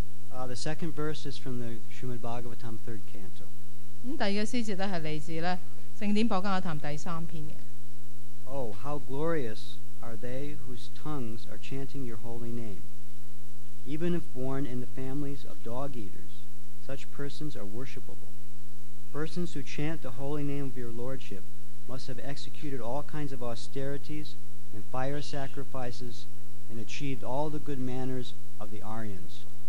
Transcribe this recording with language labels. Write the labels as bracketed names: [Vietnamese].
[English] The second verse is from the Srimad Bhagavatam, third canto. [Chinese] 第二個詩節是來自聖典博加塔談第三篇的。 [English] Oh, how glorious are they whose tongues are chanting your holy name. Even if born in the families of dog eaters, such persons are worshipable. Persons who chant the holy name of your lordship must have executed all kinds of austerities and fire sacrifices and achieved all the good manners of the Aryans.